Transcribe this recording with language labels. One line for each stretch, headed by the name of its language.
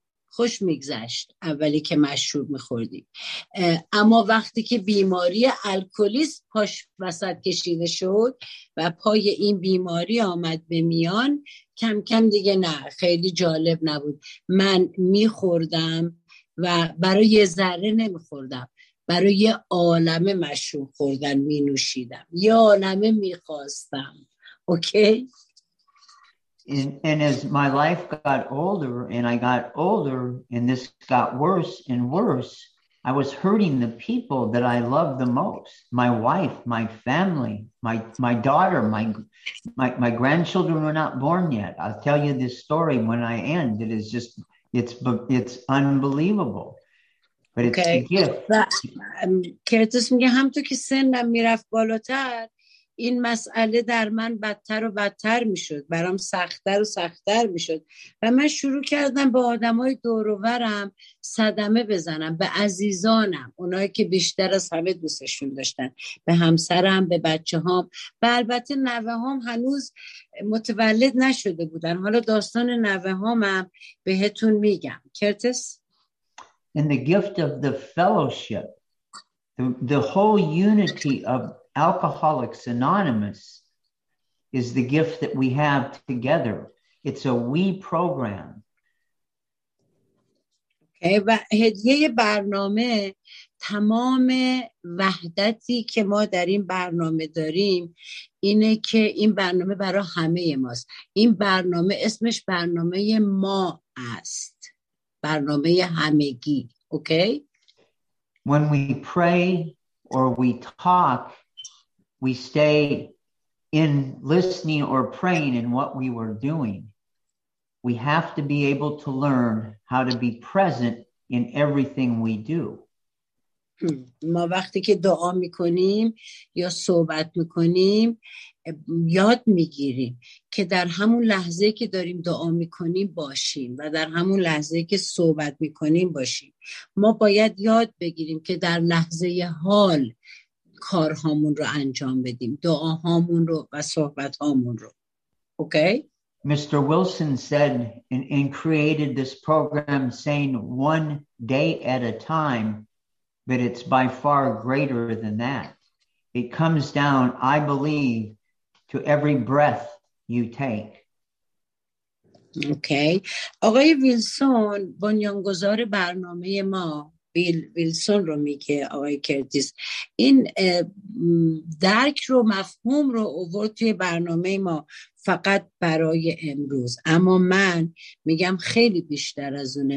Persian: خوش میگذشت اولی که مشروب میخوردی، اما وقتی که بیماری الکلیست پاش وسط کشیده شد و پای این بیماری آمد به میان، کم کم دیگه نه، خیلی جالب نبود. من میخوردم و برای یه ذره نمیخوردم، برای یه عالمه مشروب خوردن مینوشیدم، یه عالمه میخواستم. اوکی؟
English: And as my life got older and I got older and this got worse and worse, I was hurting the people that I love the most. My wife, my family, my daughter, my grandchildren were not born yet. I'll tell you this story when I end. It is just, it's unbelievable. But it's okay. A gift.
Persian: Curtis میگه همطور که سنم میرفت بالاتر، این مسئله در من بدتر و بدتر می شد، برام سختتر و سختتر می شد و من شروع کردم به آدم های دوروورم صدمه بزنم، به عزیزانم، اونایی که بیشتر از همه دوستشون داشتن، به همسرم، به بچه هام، و البته نوه هام هنوز متولد نشده بودن. حالا داستان نوه هامم بهتون میگم. کرتیس،
English: In the gift of the fellowship, the whole unity of Alcoholics Anonymous is the gift that we have together. It's a we program.
Persian: Okay, و هدیه برنامه تمام وحدتی که ما در این برنامه داریم اینه که این برنامه برای همه ماست. این برنامه اسمش برنامه ما است. برنامه همگی. اوکی؟
English: When we pray or we talk, we stay in listening or praying in what we were doing. We have to be able to learn how to be present in everything we do.
Persian: ما وقتی که دعا میکنیم یا صحبت میکنیم یاد میگیریم که در همون لحظه که داریم دعا میکنیم باشیم و در همون لحظه که صحبت میکنیم باشیم. ما باید یاد بگیریم که در لحظه حال کارهامون رو انجام بدیم، دعاهامون رو و صحبتهامون رو. اوکی؟
English: Mr. Wilson said and created this program saying one day at a time. But it's by far greater than that. It comes down, I believe, to every breath you take. Okay.
Persian: آقای ویلسون، بنیانگذار برنامه ما، بیل ویلسون رو میگه آقای کرتیس، این درک رو، مفهوم رو آورد توی برنامه ما فقط برای امروز، اما من میگم خیلی بیشتر از اونه.